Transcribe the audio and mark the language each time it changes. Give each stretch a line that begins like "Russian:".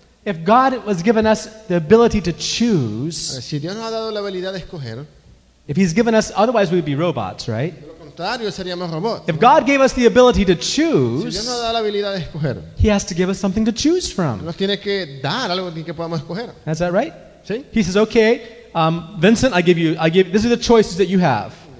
English: If God has given us the ability to choose,
Spanish: si Dios nos ha dado la habilidad de escoger,
English: if he's given us, otherwise we'd be robots, right?
Spanish: De lo contrario, seríamos robots.
English: If God gave us the ability to choose,
Spanish: si Dios nos ha dado la habilidad de escoger,
English: he has to give us something to choose from.
Spanish: Nos tiene que dar algo que podamos escoger.
English: Is that right?
Spanish: ¿Sí?
English: He says, okay, Vincent, I give these are the choices that you have.